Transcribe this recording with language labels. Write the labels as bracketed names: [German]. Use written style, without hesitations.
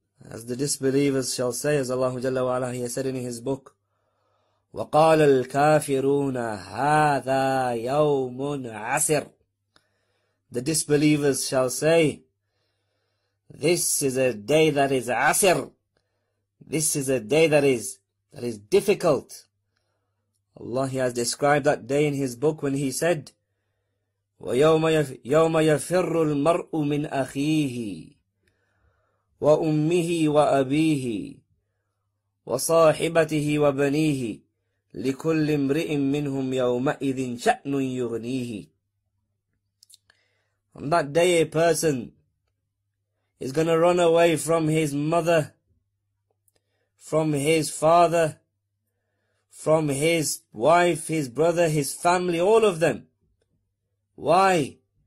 [English] As the disbelievers shall say, as Allah Jalla wa Ala, He said in His book, [Arabic] وَقَالَ الْكَافِرُونَ هَذَا يَوْمٌ عَسِرٌ. [English] The disbelievers shall say, this is a day that is asir. This is a day that is difficult. Allah, He has described that day in His book when He said, [Arabic] وَيَوْمَ يَفِرُّ الْمَرْءُ مِنْ أَخِيهِ وَأُمِّهِ وَأَبِيهِ وَصَاحِبَتِهِ وَبَنِيهِ لِكُلِّ امْرِئٍ مِّنْهُمْ يَوْمَئِذٍ شَأْنٌ يُغْنِيهِ. [English] On that day a person is going to run away from his mother, from his father, from his wife, his brother, his family, all of them. Why?